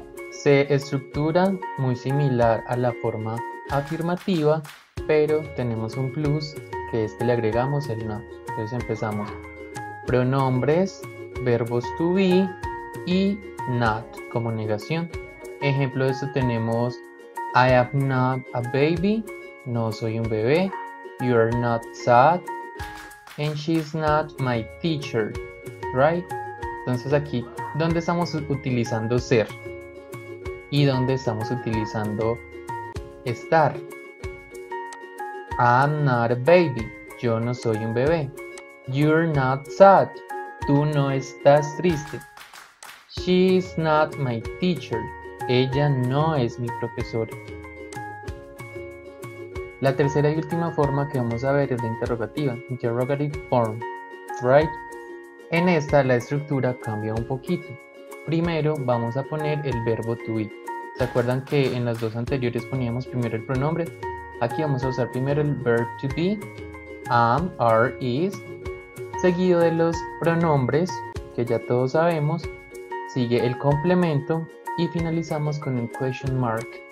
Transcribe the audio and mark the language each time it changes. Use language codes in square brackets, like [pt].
[es] Se estructura muy similar a la forma afirmativa, pero tenemos un plus, que es que le agregamos el not. Entonces empezamos. Pronombres, verbos to be y not como negación. Ejemplo de esto tenemos [en] I am not a baby, [es] no soy un bebé. [en] You are not sad and she's not my teacher, right? [es] Entonces aquí, ¿dónde estamos utilizando ser? ¿Y dónde estamos utilizando estar? [en] I'm not a baby. [es] Yo no soy un bebé. [en] You're not sad. [es] Tú no estás triste. [en] She's not my teacher. [es] Ella no es mi profesora. La tercera y última forma que vamos a ver es la interrogativa. [en] Interrogative form, right? [es] En esta la estructura cambia un poquito. Primero vamos a poner el verbo to be. ¿Se acuerdan que en las dos anteriores poníamos primero el pronombre? Aquí vamos a usar primero el verb to be, am, are, is, seguido de los pronombres, que ya todos sabemos, sigue el complemento y finalizamos con el question mark.